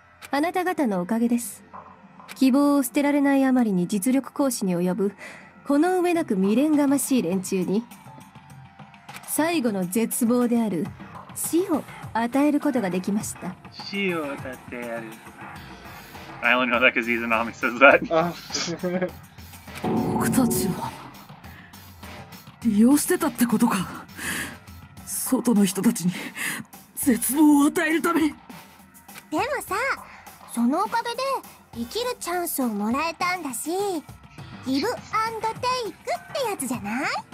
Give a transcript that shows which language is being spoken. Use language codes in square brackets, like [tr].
[ja] あなた方のおかげです。希望を捨てられないあまりに実力行使に及ぶ、この上なく未練がましい連中に、最後の絶望である死を与えることができました。死を与えてやる。 [en] I only know that because Izanami says that. [ja] 僕たちは利用してたってことか。外の人たちに絶望を与えるために。でもさ、そのおかげで生きるチャンスをもらえたんだし、ギブアンドテイクってやつじゃない？